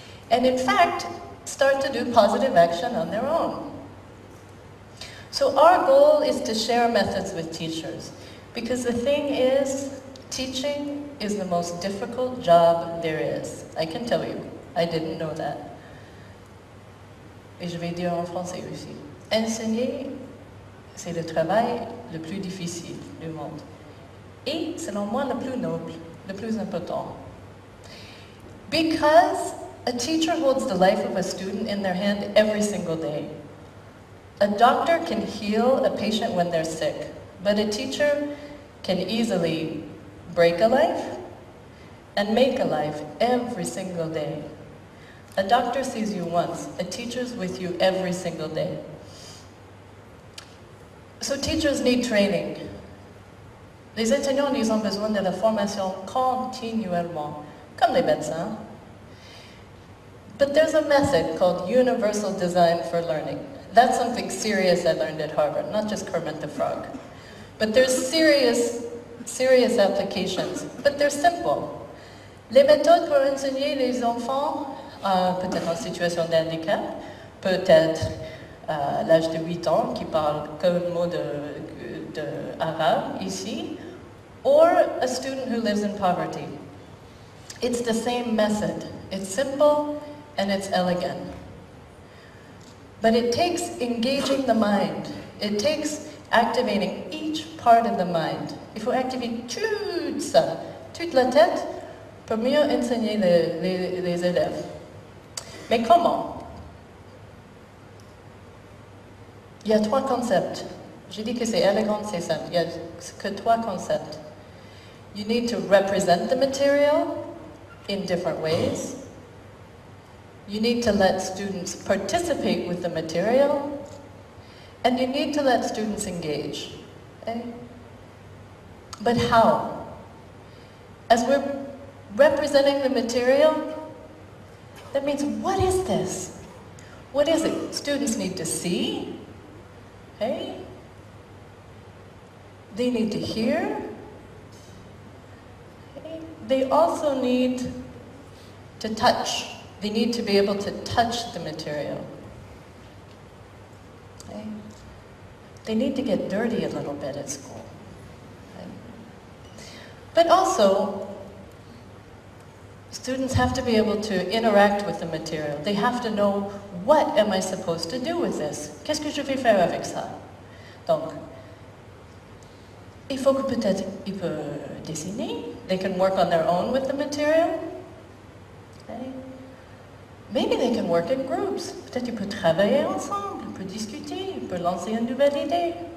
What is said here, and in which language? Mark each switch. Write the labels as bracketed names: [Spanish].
[English] And in fact, start to do positive action on their own. So our goal is to share methods with teachers. Because the thing is, teaching is the most difficult job there is. I can tell you, I didn't know that. [French] Et je vais dire en français aussi. Enseigner, c'est le travail le plus difficile du monde. Et selon moi, le plus noble, le plus important. [English] Because a teacher holds the life of a student in their hand every single day. A doctor can heal a patient when they're sick, but a teacher can easily break a life and make a life every single day. A doctor sees you once, a teacher's with you every single day. So teachers need training. [French] Les enseignants, ils ont besoin de la formation continuellement, comme les médecins. [English] But there's a method called universal design for learning. That's something serious I learned at Harvard, not just Kermit the Frog. But there's serious applications, but they're simple. [French] Les méthodes pour enseigner les enfants, peut-être en situation de handicap, peut-être à l'âge de 8 ans, qui parle qu'un mot de arabe ici, [English] or a student who lives in poverty. It's the same method. It's simple and it's elegant. But it takes engaging the mind. It takes activating each part of the mind. [French] Il faut activer tout ça, toute la tête, pour mieux enseigner les élèves. Mais comment? Il y a trois concepts. J'ai dit que c'est élégant, c'est simple. Il n'y a que trois concepts. [English] You need to represent the material in different ways. You need to let students participate with the material. And you need to let students engage. Okay? But how? As we're representing the material, that means, what is this? What is it? Students need to see. Okay? They need to hear. They also need to touch. They need to be able to touch the material. Okay? They need to get dirty a little bit at school. Okay? But also, students have to be able to interact with the material. They have to know, what am I supposed to do with this? [French] Qu'est-ce que je vais faire avec ça? Donc, il faut que peut-être ils peuvent dessiner. [English] They can work on their own with the material. Okay. Maybe they can work in groups. [French] Peut-être ils peuvent travailler ensemble, ils peuvent discuter, ils peuvent lancer une nouvelle idée.